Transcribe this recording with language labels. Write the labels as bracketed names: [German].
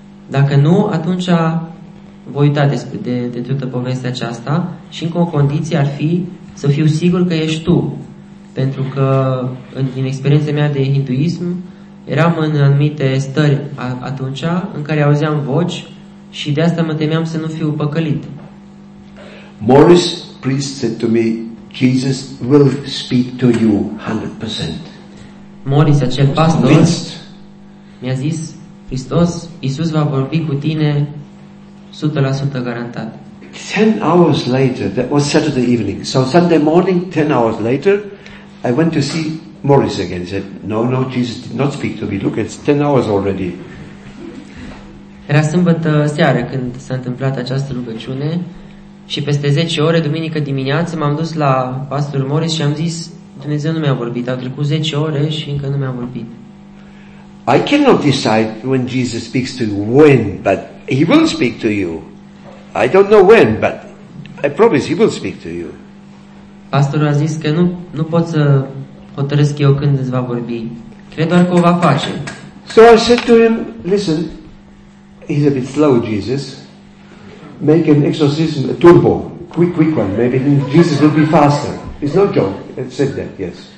[Romanian] Dacă nu, atunci voi uita de toată povestea aceasta și încă o condiție ar fi să fiu sigur că ești tu. Pentru că din experiența mea de hinduism, eram în anumite stări atunci în care auzeam voci și de asta mă temeam să nu fiu păcălit. [English] Morris priest said to me, Jesus will speak to you 100%. [Romanian] Morris, acel pastor, mi-a zis, Hristos, Iisus va vorbi cu tine 100% garantat. [English] 10 hours later, that was Saturday evening. So Sunday morning, 10 hours later, I went to see Morris again. Said, "No, no, Jesus did not speak to me. Look, it's 10 hours already." [Romanian] Era sâmbătă seară când s-a întâmplat această rugăciune și peste 10 ore, duminică dimineață, m-am dus la pastorul Morris și am zis, Dumnezeu nu mi-a vorbit, au trecut 10 ore și încă nu mi-a vorbit. [English] I cannot decide when Jesus speaks to you, when, but he will speak to you. I don't know when, but I promise he will speak to you. [Romanian] Pastorul a zis că nu pot să hotărăsc eu când îți va vorbi. Cred doar că o va face. [English] So I said to him, listen, he's a bit slow, Jesus. Make an exorcism, a turbo, quick one. Maybe then Jesus will be faster. It's no joke. I said that, yes.